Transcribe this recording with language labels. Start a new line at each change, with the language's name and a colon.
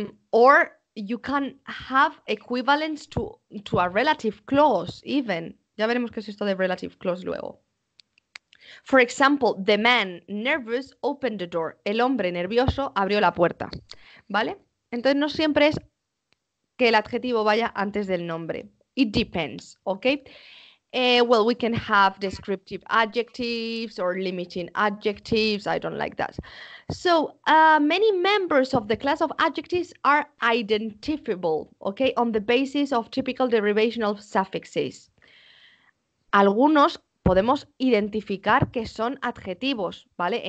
English: Or you can have equivalence to a relative clause, even.
Spanish: Ya veremos qué es esto de relative clause luego.
English: For example, the man nervous opened the door.
Spanish: El hombre nervioso abrió la puerta. ¿Vale? Entonces no siempre es que el adjetivo vaya antes del nombre.
English: It depends, okay? Well, we can have descriptive adjectives or limiting adjectives. I don't like that. So, many members of the class of adjectives are identifiable, okay? On the basis of typical derivational suffixes.
Spanish: Algunos podemos identificar que son adjetivos, ¿vale?